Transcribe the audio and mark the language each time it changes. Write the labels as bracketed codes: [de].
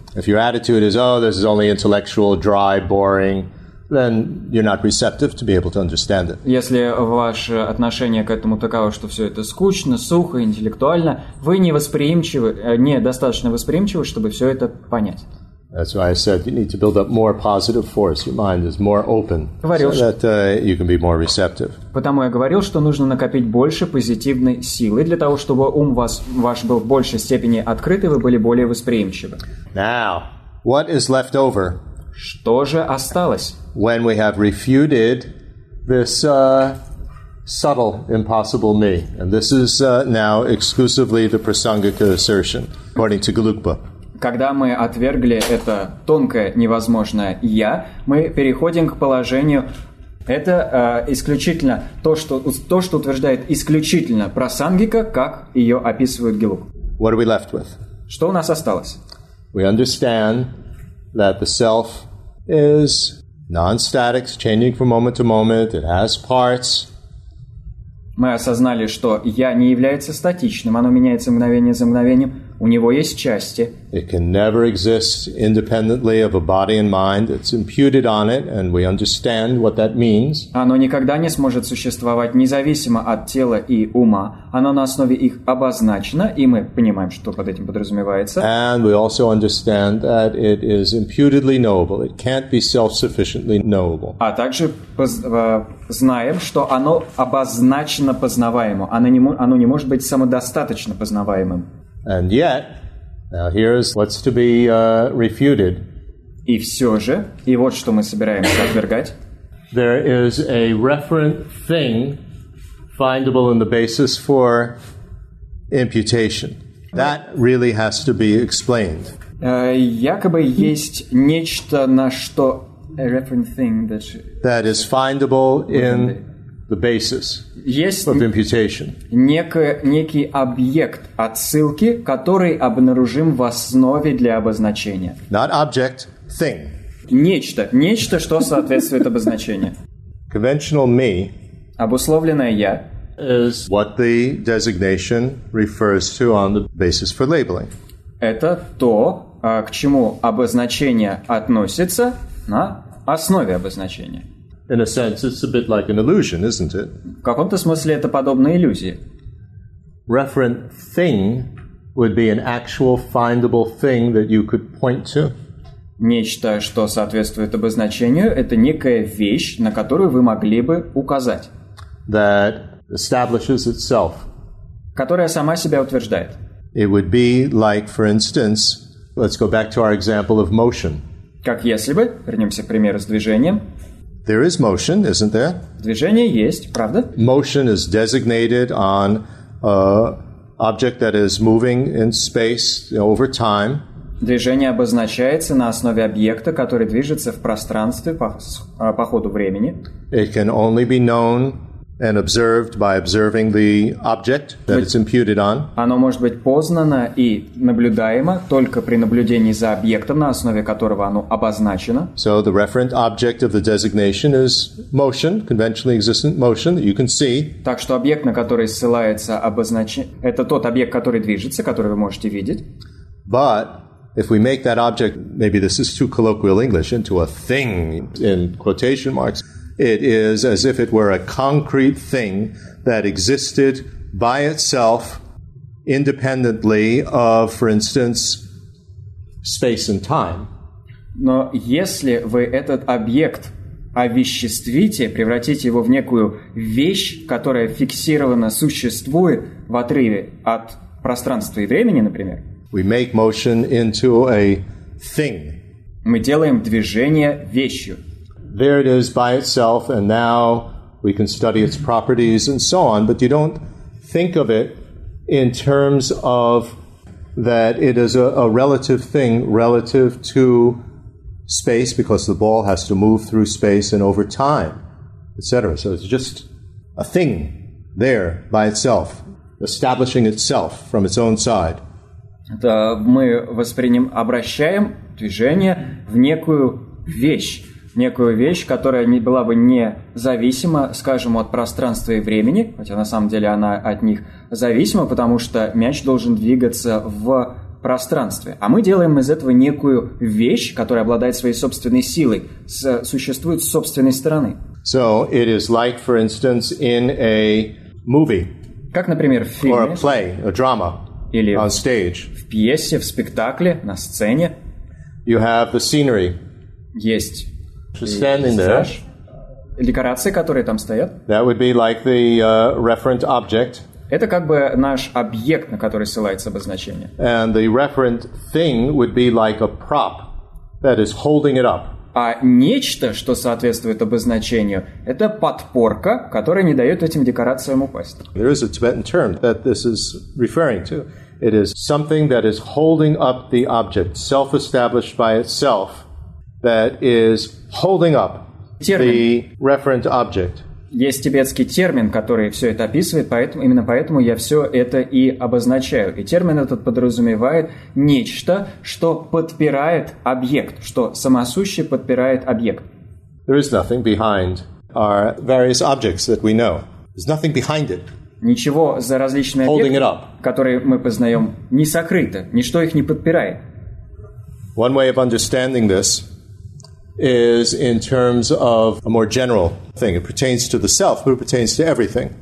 [en] If your attitude is, oh, this is only intellectual, dry, boring, then you're not receptive to be able to understand it. [ru] Если ваше отношение к этому таково, что все это скучно, сухо, интеллектуально, вы недостаточно восприимчивы, чтобы все это понять. [en] That's why I said you need to build up more positive force. Your mind is more open, you can be more receptive. [ru] Потому я говорил, что нужно накопить больше позитивной силы для того, чтобы ум ваш был в большей степени открыт, и вы были более восприимчивы. [en] Now, what is left over? [ru] Что же осталось? [en] When we have refuted this subtle, impossible me, and this is now exclusively the prasangika assertion, according to Galukpa. [ru] Когда мы отвергли это тонкое, невозможное «я», мы переходим к положению «это исключительно то, что утверждает исключительно прасангика, как ее описывает Гилук». [en] What are we left with? [ru] Что у нас осталось? [en] We understand that the self is non-static, changing from moment to moment, it has parts. [ru] Мы осознали, что «я» не является статичным, оно меняется мгновение за мгновением. У него есть части. [en] It can never exist independently of a body and mind. It's imputed on it, and we understand what that means. [ru] Оно никогда не сможет существовать независимо от тела и ума. Оно на основе их обозначено, и мы понимаем, что под этим подразумевается. [en] And we also understand that it is imputedly knowable. It can't be self-sufficiently knowable. [ru] А также знаем, что оно обозначено познаваемо. Оно не может быть самодостаточно познаваемым. [en] And yet, now here's what's to be refuted. [ru] И все же, и вот что мы собираемся отвергать. [en] There is a referent thing findable in the basis for imputation. That really has to be explained. [ru] Якобы есть нечто, на что... [en] A referent thing that... That is findable in... The basis [ru] есть [en] of imputation. [ru] Некий объект отсылки, который обнаружим в основе для обозначения. [en] Not object, thing. [ru] Нечто, что соответствует обозначению. [en] Conventional me. [ru] Обусловленное я. [en] Is what the designation refers to on the basis for labeling. [ru] Это то, к чему обозначение относится на основе обозначения. [en] In a sense, it's a bit like an illusion, isn't it? [ru] В каком-то смысле это подобно иллюзии. [en] Referent thing would be an actual findable thing that you could point to. [ru] Нечто, что соответствует обозначению, это некая вещь, на которую вы могли бы указать. [en] That establishes itself. [ru] Которая сама себя утверждает. [en] It would be like, for instance, let's go back to our example of motion. [ru] Как если бы, вернемся к примеру с движением. [en] There is motion, isn't there? [ru] Движение есть, правда? [en] Motion is designated on an object that is moving in space over time. [ru] Движение обозначается на основе объекта, который движется в пространстве по ходу времени. [en] It can only be known and observed by observing the object that it's imputed on. [ru] Оно может быть познано и наблюдаемо только при наблюдении за объектом, на основе которого оно обозначено. [en] So the referent object of the designation is motion, conventionally existent motion that you can see. [ru] Так что объект, на который ссылается это тот объект, который движется, который вы можете видеть. [en] But if we make that object, maybe this is too colloquial English, into a thing in quotation marks, it is as if it were a concrete thing that existed by itself independently of, for instance, space and time. [ru] Но если вы этот объект овеществите, превратите его в некую вещь, которая фиксирована, существует в отрыве от пространства и времени, например, [en] we make motion into a thing. [ru] Мы делаем движение вещью. [en] There it is by itself, and now we can study its properties and so on, but you don't think of it in terms of that it is a relative thing relative to space, because the ball has to move through space and over time, etc. So it's just a thing there by itself, establishing itself from its own side. [ru] Это мы воспринимаем, обращаем движение в некую вещь. Некую вещь, которая не была бы независима, скажем, от пространства и времени, хотя на самом деле она от них зависима, потому что мяч должен двигаться в пространстве. А мы делаем из этого некую вещь, которая обладает своей собственной силой, существует с собственной стороны. [en] So it is like, for instance, in a movie. [ru] Как, например, в фильме. [en] Or a play, a drama. [ru] Или [en] on stage. [ru] В пьесе, в спектакле, на сцене. [en] You have the scenery. [ru] Есть. [en] Just standing there. [ru] Декорации, которые там стоят. [en] That would be like the referent object. [ru] Это как бы наш объект, на который ссылается обозначение. [en] And the referent thing would be like a prop that is holding it up. [ru] А нечто, что соответствует обозначению, это подпорка, которая не дает этим декорациям упасть. [en] There is a Tibetan term that this is referring to. It is something that is holding up the object, self-established by itself. That is holding up [ru] термин. [en] The referent object. [ru] Есть тибетский термин, который все это описывает, поэтому именно поэтому я все это и обозначаю. И термин этот подразумевает нечто, что подпирает объект, что самосуще подпирает объект. [en] There is nothing behind our various objects that we know. There's nothing behind it. [ru] Ничего за различными [en] holding [ru] объектами, которые мы познаем, не сокрыто. Ничто их не подпирает. [en] One way of understanding this is in terms of a more general thing. It pertains to the self, but it pertains to everything.